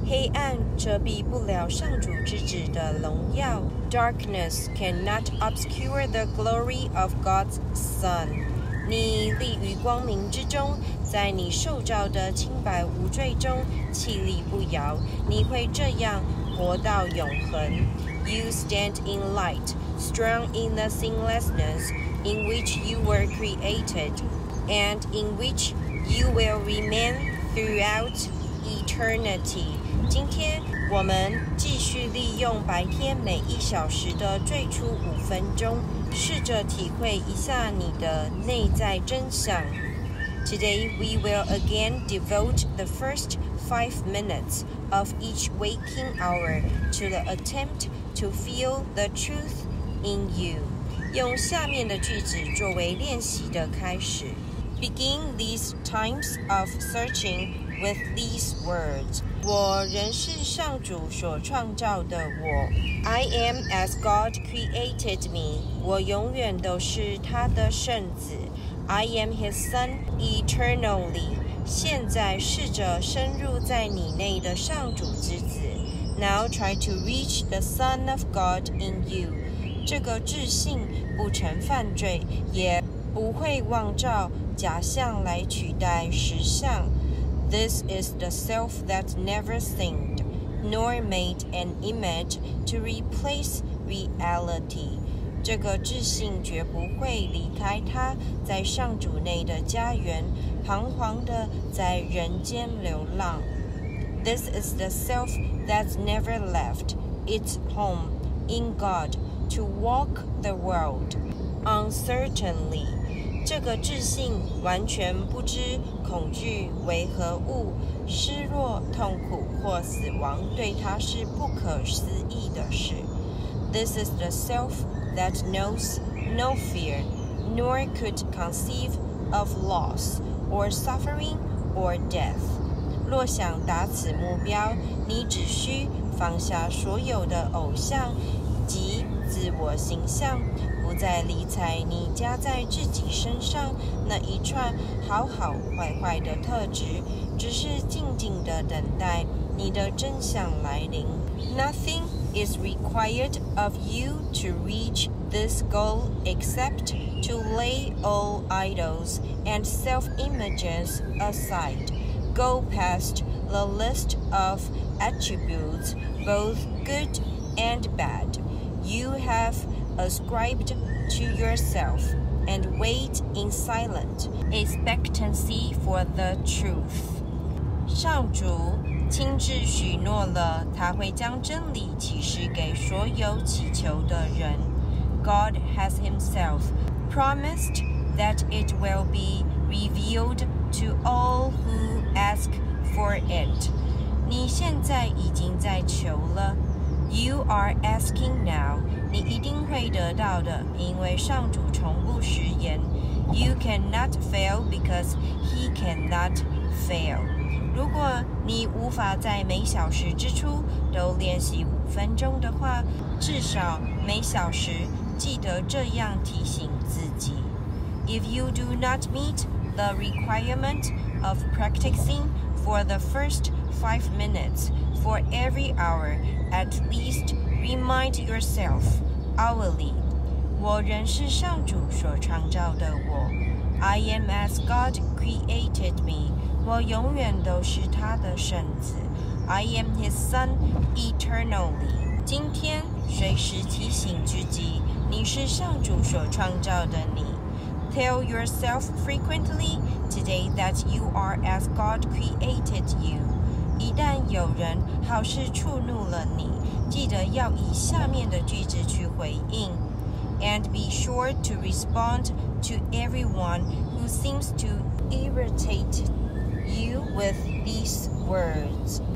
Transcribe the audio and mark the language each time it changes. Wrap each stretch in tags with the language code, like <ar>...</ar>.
<zh>黑暗遮蔽不了上主之子的荣耀。</zh> <en>Darkness cannot obscure the glory of God's Son.</en> <zh>你立于光明之中，在你受造的清白无罪中气力不摇，你会这样活到永恒。</zh> <en>You stand in light, strong in the sinlessness in which you were created, and in which you will remain throughout eternity.</en> <zh>今天我们继续利用白天每一小时的最初五分钟，试着体会一下你的内在真相。</zh> <en>Today, we will again devote the first 5 minutes of each waking hour to the attempt to feel the truth in you.</en> <zh>用下面的句子作为练习的开始。</zh> <en>Begin these times of searching with these words.</en> <zh>我仍是上主所创造的我。</zh> <en>I am as God created me.</en> <zh>我永远都是他的圣子。</zh> <en>I am his son eternally.</en> <zh>现在试着深入在你内的上主之子。</zh> <en>Now try to reach the son of God in you.</en> <zh>这个智性不曾犯罪，也不会妄照假象来取代实相。</zh> <en>This is the self that never sinned, nor made an image to replace reality.</en> <zh>这个智性绝不会离开他在上主内的家园，彷徨地在人间流浪。</zh> <en>This is the self that's never left its home in God to walk the world uncertainly.</en> <zh>这个智性完全不知恐惧为何物，失落、痛苦或死亡对他是不可思议的事。</zh> <en>This is the self that knows no fear, nor could conceive of loss or suffering or death.</en> <zh>若想达此目标，你只需放下所有的偶像及自我形象，不再理睬你加在自己身上那一串好好坏坏的特质，只是静静地等待你的真相来临。</zh> <en>Nothing is required of you to reach this goal except to lay all idols and self-images aside. Go past the list of attributes, both good and bad, you have ascribed to yourself, and wait in silent expectancy for the truth.</en> <zh>上主亲自许诺了，他会将真理启示给所有祈求的人。</zh> <en>God has himself promised that it will be revealed to all who ask for it.</en> <zh>你现在已经在求了。</zh> <en>You are asking now.</en> <zh>你一定会得到的，因为上主从不食言。</zh> <en>You cannot fail because he cannot fail.</en> <zh>如果你无法在每小时之初都练习五分钟的话，至少每小时记得这样提醒自己。</zh> <en>If you do not meet the requirement of practicing for the first 5 minutes, for every hour, at least remind yourself hourly.</en> <zh>我仍是上主所创造的我。</zh> <en>I am as God created me.</en> <zh>我永远都是他的圣子。</zh> <en>I am his son eternally.</en> <zh>今天随时提醒自己，你是上主所创造的你。</zh> <en>Tell yourself frequently today that you are as God created you.</en> <zh>一旦有人好似触怒了你，记得要以下面的句子去回应。</zh> <en>And be sure to respond to everyone who seems to irritate you with these words.</en>